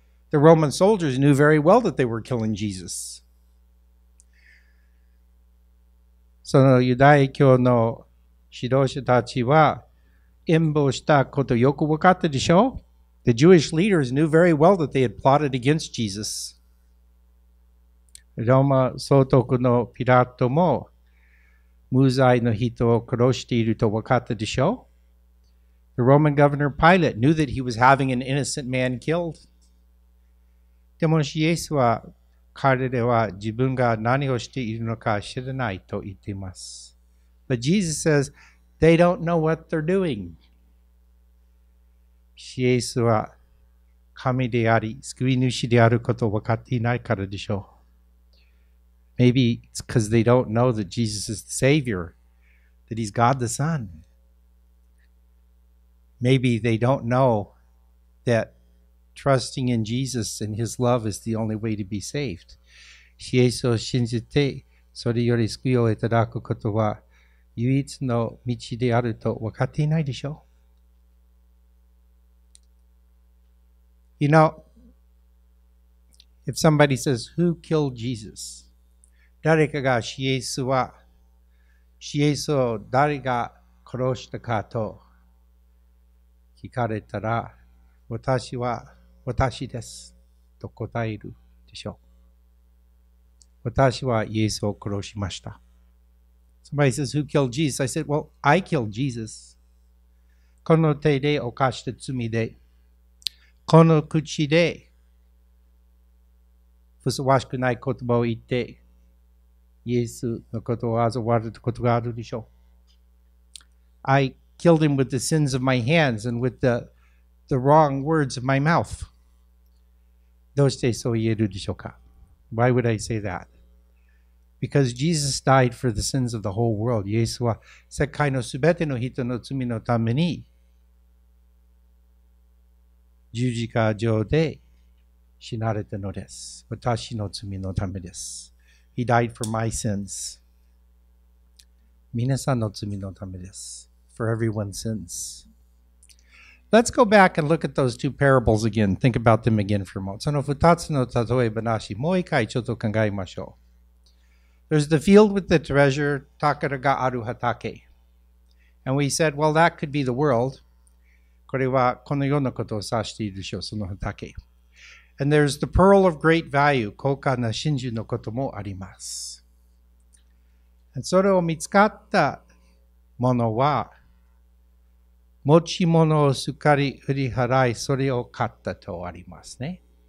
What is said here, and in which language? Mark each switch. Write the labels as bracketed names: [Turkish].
[English] The Roman soldiers knew very well that they were killing Jesus. [Japanese] そのユダヤ教の指導者たちは陰謀したことよく分かったでしょう? [English] The Jewish leaders knew very well that they had plotted against Jesus. [Japanese] ローマ総督のピラトも無罪の人を殺していると分かったでしょう? [English] The Roman governor Pilate knew that he was having an innocent man killed. [Japanese] でもイエスは彼らは自分が何をしているのか知らないと言っています。 [English] But Jesus says, they don't know what they're doing. [Japanese] イエスは神であり、救い主であることを分かっていないからでしょう。 [English] Maybe it's because they don't know that Jesus is the Savior, that he's God the Son. Maybe they don't know that trusting in Jesus and his love is the only way to be saved. [Japanese] イエスを信じて、それより救いをいただくことは、唯一の道であると分かっていないでしょう。 [English] You know, if somebody says, who killed Jesus? [Japanese] 誰かがイエスは、イエスを誰が殺したかと聞かれたら、私は私ですと答えるでしょう。私はイエスを殺しました。 [English] Somebody says, who killed Jesus? I said, well, I killed Jesus. [Japanese] この手で犯した罪で、この口で、ふさわしくない言葉を言って、イエスのことをあざ笑ったことがあるでしょう。 [English] I killed him with the sins of my hands and with the wrong words of my mouth. [Japanese] どうしてそう言えるでしょうか? [English] Why would I say that? Because Jesus died for the sins of the whole world. [Japanese] イエスは世界のすべての人の罪のために十字架上で死なれたのです。私の罪のためです。 [English] He died for my sins. [Japanese] 皆さんの罪のためです。 [English] For everyone's sins. Let's go back and look at those two parables again. Think about them again for a moment. [Japanese] その二つの例え話、もう一回ちょっと考えましょう。 [English] There's the field with the treasure, [Japanese] 宝がある畑. [English] And we said, well, that could be the world. [Japanese] これはこのようなことを指しているでしょう、その畑. [English] And there's the pearl of great value, [Japanese] 高価な真珠のこともあります。 And それを見つかったものは、持ち物をすっかり振り払い、それを買ったとありますね。